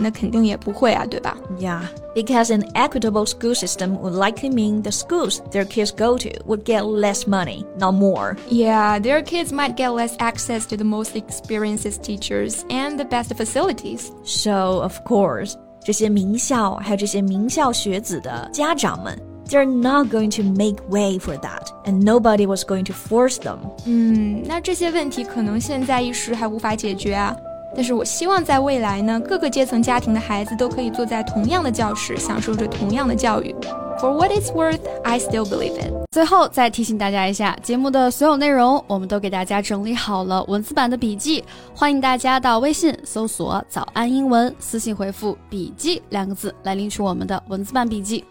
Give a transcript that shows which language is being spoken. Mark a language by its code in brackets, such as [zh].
[zh] 那肯定也不会啊，对吧？ [en] Yeah. Because an equitable school system would likely mean the schools their kids go to would get less money, not more. Yeah, their kids might get less access to the most experienced teachers and the best facilities. So, of course, [zh] 这些名校还有这些名校学子的家长们 [en] They're not going to make way for that, and nobody was going to force them. [zh] 那这些问题可能现在一时还无法解决啊。但是我希望在未来呢，各个阶层家庭的孩子都可以坐在同样的教室，享受着同样的教育。 [en] For what it's worth, I still believe it. [zh] 最后再提醒大家一下，节目的所有内容我们都给大家整理好了文字版的笔记，欢迎大家到微信搜索早安英文，私信回复笔记两个字来领取我们的文字版笔记。